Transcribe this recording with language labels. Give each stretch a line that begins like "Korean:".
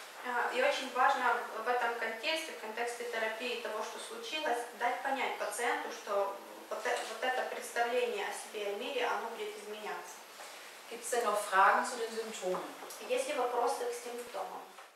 Russian: Ja, и очень важно в этом контексте, в контексте терапии того, что случилось, дать понять пациенту, что вот это представление о себе и о мире, оно будет изменяться.
German: Gibt es denn noch Fragen zu den Symptomen?
Russian: Есть ли вопросы к симптомам?